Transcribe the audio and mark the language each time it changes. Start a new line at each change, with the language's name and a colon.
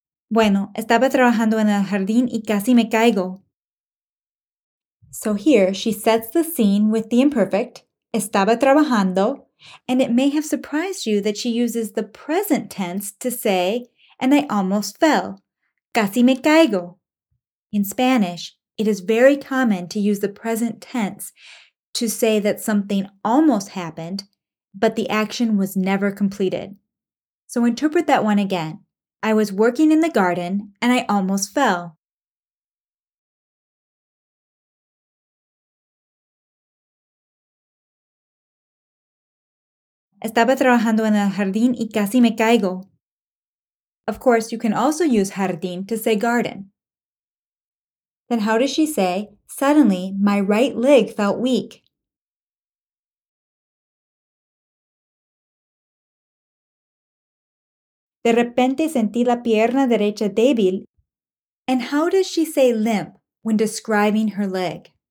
Spanish: Bueno, estaba trabajando en el jardín y casi me caigo.
English: So here she sets the scene with the imperfect,
Spanish: estaba trabajando,
English: and it may have surprised you that she uses the present tense to say, and I almost fell,
Spanish: casi me caigo.
English: In Spanish, it is very common to use the present tense to say that something almost happened, but the action was never completed. So interpret that one again. I was working in the garden, and I almost fell.
Spanish: Estaba trabajando en el jardín y casi me caigo.
English: Of course, you can also use jardín to say garden. Then how does she say, suddenly, my right leg felt weak?
Spanish: De repente sentí la pierna derecha débil.
English: And how does she say limp when describing her leg?